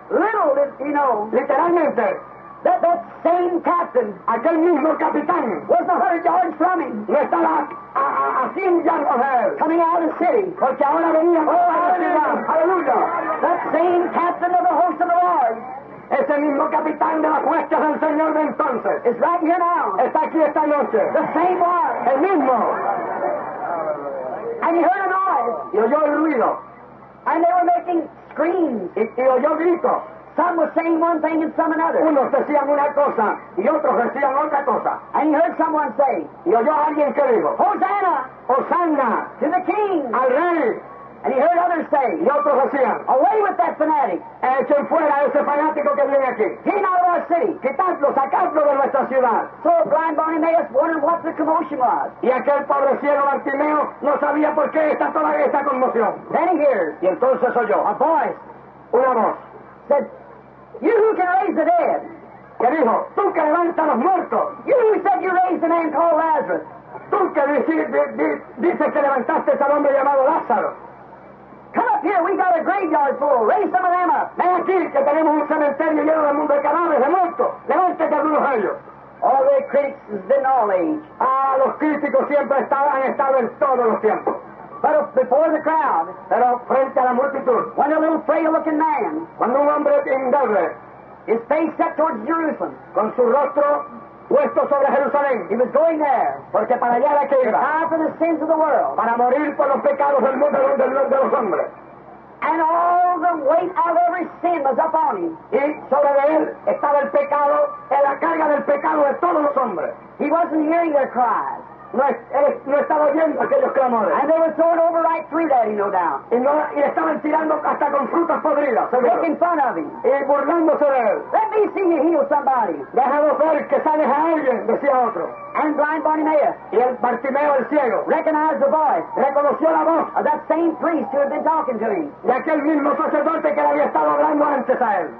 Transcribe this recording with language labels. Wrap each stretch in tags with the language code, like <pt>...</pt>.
<en>Little did he know.</en> <es>Literalmente.</es> <en>That same captain.</en> <es>Aquel mismo capitán.</es> <en>Was 100 yards from him.</en> <es>No estaba a</es> <en>100 yards from him. Coming out of the city.</en> <es>Porque ahora venía.</es> <en>Oh, hallelujah. Hallelujah. That same captain of the host of the Lord.</en> <es>Ese mismo capitán de las huestes del Señor de entonces.</es> <en>Is right here now.</en> <es>Está aquí esta noche.</es> <en>The same one.</en> <es>El mismo.</es> <en>And he heard a noise.</en> <es>Y oyó el ruido.</es> <en>And they were making screams.</en> <es>Y oyó gritos.</es> <en>Some were saying one thing and some another.</en> <es>Unos decían una cosa y otros decían otra cosa.</es> <en>And he heard someone say.</en> <es>Y oyó alguien que dijo.</es> <en>Hosanna.</en> <es>Hosanna.</es> <en>To the king.</en> <es>Al rey.</es> <en>And he heard others say,</en> <es>y otros decían,</es> <en>away with that fanatic.</en> <es>Echen fuera ese fanático que viene aquí.</es> <en>Get out of our city.</en> <es>Quitadlo, sacadlo de nuestra ciudad.</es> <en>So blind Bartimaeus wondered what the commotion was.</en> <es>Y aquel pobre ciego Bartimeo no sabía por qué está toda esta conmoción.</es> <en>Then he hears,</en> <es>y entonces oyó,</es> <en>a voice,</en> <es>una voz,</es> <en>said, you who can raise the dead.</en> <es>Que dijo, tú que levantas los muertos.</es> <en>You who said you raised a man called Lazarus.</en> <es>Tú que dices que levantaste a ese hombre llamado Lázaro.</es> <en>Come up here, we got a graveyard full. Raise some of them up.</en> <es>Ven aquí, que tenemos un cementerio lleno del mundo de cadáveres, de muertos. Levántate algunos años.</es> <en>All the critics have been all age.</en> <es>Ah, los críticos siempre han estado en todos los tiempos.</es> <en>But before the crowd.</en> <es>Pero frente a la multitud.</es> <en>When a little frail looking man.</en> <es>Cuando un hombre endeble.</es> <en>His face set towards Jerusalem.</en> <es>Con su rostro puesto sobre Jerusalén.</es> <en>He was going there.</en> <es>Porque para allá era que iba.</es> <en>To die for the sins of the world.</en> <es>Para morir por los pecados del mundo de los hombres.</es> <en>And all the weight of every sin was up on him.</en> <es>Y sobre él estaba el pecado, la carga del pecado de todos los hombres.</es> <en>He wasn't hearing their cries.</en> <es>No estaba oyendo aquellos clamores.</es> <en>And they were throwing over right through that, you know, down.</en> <es>Y estaban tirando hasta con frutas podridas.</es> <en>Making fun of him.</en> <es>Y burlándose de él.</es> <en>Let me see you heal somebody.</en> <es>Déjanos ver que sanes a alguien, decía otro.</es> <en>And blind Bartimaeus.</en> <es>Y el Bartimeo, el ciego.</es> <en>Recognized the voice.</en> <es>Reconoció la voz.</es> <en>Of that same priest who had been talking to him.</en> <es>De aquel mismo sacerdote que le había estado hablando antes a él.</es>